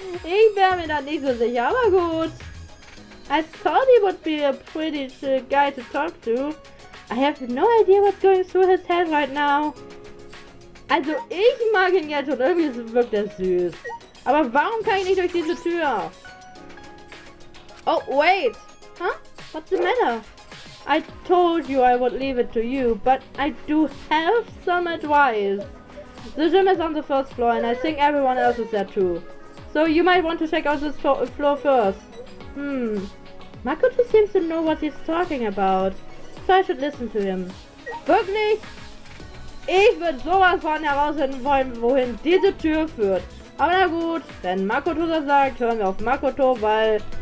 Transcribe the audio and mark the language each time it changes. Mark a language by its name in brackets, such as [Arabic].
[German] Ich wäre mir da nicht so sicher, aber gut. [English] I thought he would be a pretty guy to talk to. I have no idea what's going through his head right now. [German] Also, ich mag ihn jetzt und irgendwie wirkt er süß. Aber warum kann ich nicht durch diese Tür? [English] Oh, wait. Huh? What's the matter? I told you I would leave it to you, but I do have some advice. The gym is on the first floor and I think everyone else is there too. So you might want to check out this floor first. Makoto seems to know what he's talking about. So I should listen to him. [German] Wirklich? Ich würde sowas von herausfinden wollen, wohin diese Tür führt. Aber na gut, wenn Makoto das sagt, hören wir auf Makoto, weil...